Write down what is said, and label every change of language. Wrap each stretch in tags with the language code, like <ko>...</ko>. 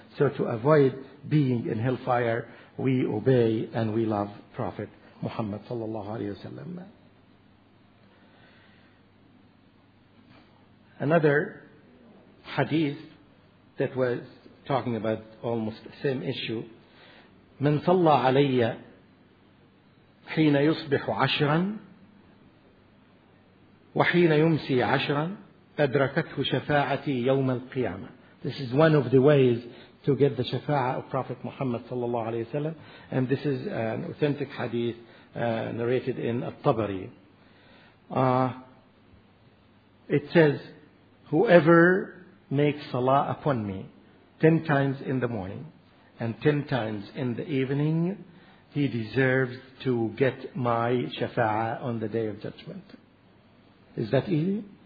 <en>So to avoid being in hellfire, we obey and we love Prophet Muhammad sallallahu alaihi wasallam. Another hadith that was talking about almost the same issue.</en> <ar>من صلى علي حين يصبح عشرا وحين يمسي عشرا أدركته شفاعتي يوم القيامة.</ar> <en>This is one of the ways to get the shafa'ah of Prophet Muhammad sallallahu alaihi wasallam, and this is an authentic hadith narrated in At-Tabari. It says, whoever makes salah upon me 10 times in the morning and 10 times in the evening, he deserves to get my shafa'ah on the day of judgment. Is that easy?</en>